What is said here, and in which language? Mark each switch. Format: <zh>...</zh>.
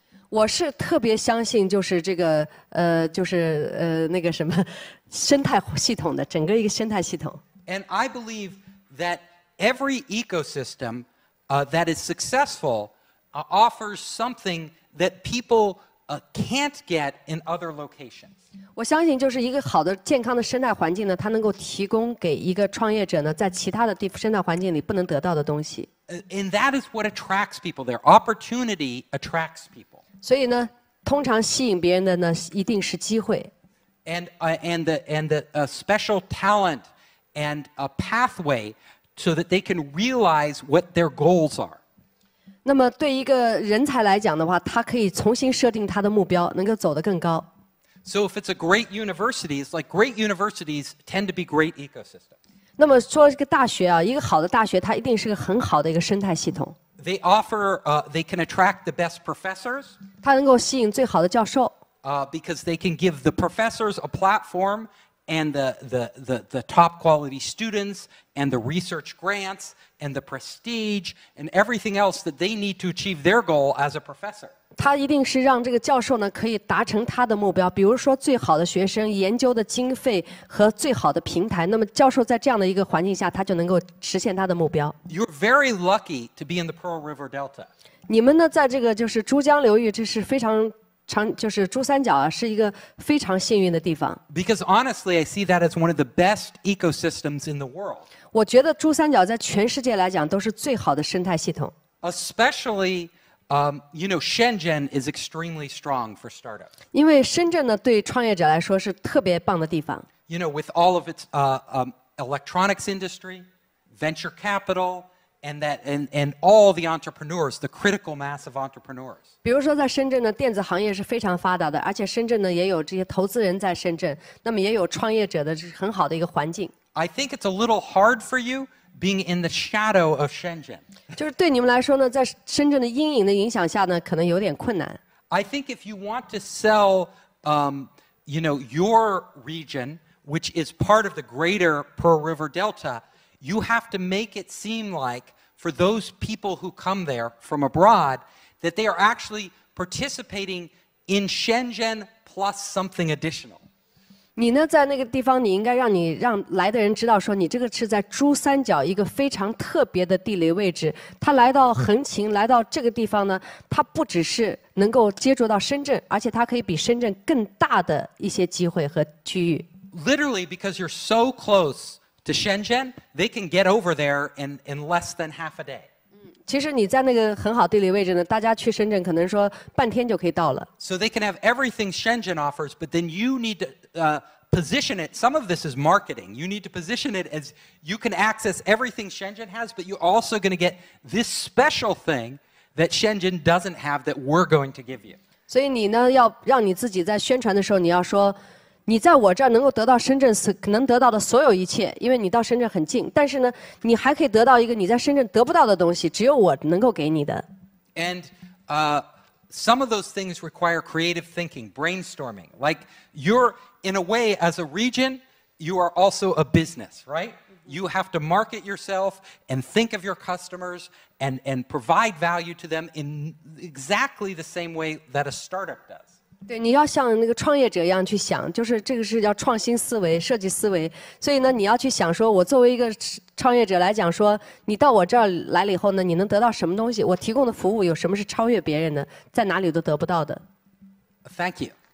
<zh>我是特别相信，就是这个就是那个什么生态系统的整个一个生态系统。</zh> <en>And I believe that every ecosystem that is successful offers something that people can't get in other locations.</en> <zh>我相信，就是一个好的、健康的生态环境呢，它能够提供给一个创业者呢，在其他的地生态环境里不能得到的东西。</zh> <en>And that is what attracts people there. Opportunity attracts people.</en> <zh>所以呢，通常吸引别人的呢，一定是机会。</zh> <en>And the special talent and a pathway so that they can realize what their goals are.</en> <zh>那么对一个人才来讲的话，他可以重新设定他的目标，能够走得更高。</zh> <en>So if it's a great university, it's like great universities tend to be great ecosystems.</en> <zh>那么说一个大学啊，一个好的大学，它一定是个很好的一个生态系统。</zh> <en>They offer, they can attract the best professors.</en> <zh>它能够吸引最好的教授。</zh> <en>Because they can give the professors a platform and the top quality students and the research grants and the prestige and everything else that they need to achieve their goal as a professor.</en> <zh>他一定是让这个教授呢可以达成他的目标，比如说最好的学生、研究的经费和最好的平台。那么教授在这样的一个环境下，他就能够实现他的目标。</zh> <en>You're very lucky to be in the Pearl River Delta.</en> <zh>你们呢在这个就是珠江流域，这是非常就是珠三角啊，是一个非常幸运的地方。</zh> <en>Because honestly, I see that as one of the best ecosystems in the world.</en> <zh>我觉得珠三角在全世界来讲都是最好的生态系统。</zh> <en>Especially, you know, Shenzhen is extremely strong for startups.</en> <zh>因为深圳呢，对创业者来说是特别棒的地方。</zh> <en>You know, with all of its electronics industry, venture capital. And all the entrepreneurs, the critical mass of entrepreneurs.</en> <zh>比如说在深圳呢，电子行业是非常发达的，而且深圳呢也有这些投资人在深圳，那么也有创业者的很好的一个环境。</zh> <en>I think it's a little hard for you being in the shadow of Shenzhen.</en> <zh>就是对你们来说呢，在深圳的阴影的影响下呢，可能有点困难。</zh> <en>I think if you want to sell, you know, your region, which is part of the greater Pearl River Delta. You have to make it seem like for those people who come there from abroad that they are actually participating in Shenzhen plus something additional.</en> <zh>你呢在那个地方你应该让来的人知道说你这个是在珠三角一个非常特别的地理位置。他来到横琴来到这个地方呢他不只是能够接触到深圳而且他可以比深圳更大的一些机会和区域。</zh> <en>Literally because you're so close,To Shenzhen, they can get over there in less than half a day.</en> <zh>其实你在那个很好地理位置呢，大家去深圳可能说半天就可以到了。</zh> <en>So they can have everything Shenzhen offers, but then you need to position it. Some of this is marketing. You need to position it as you can access everything Shenzhen has, but you're also going to get this special thing that Shenzhen doesn't have that we're going to give you.</en> <zh>所以你呢，要让你自己在宣传的时候，你要说。你在我这儿能够得到深圳能得到的所有一切，因为你到深圳很近。但是呢，你还可以得到一个你在深圳得不到的东西，只有我能够给你的。</zh> <en>And some of those things require creative thinking, brainstorming. Like you're in a way as a region, you are also a business, right? You have to market yourself and think of your customers and provide value to them in exactly the same way that a startup does.</en> <zh>对，你要像那个创业者一样去想，就是这个是叫创新思维、设计思维。所以呢，你要去想说，我作为一个创业者来讲说，你到我这儿来了以后呢，你能得到什么东西？我提供的服务有什么是超越别人的，在哪里都得不到的</zh> <en>？Thank you。</en>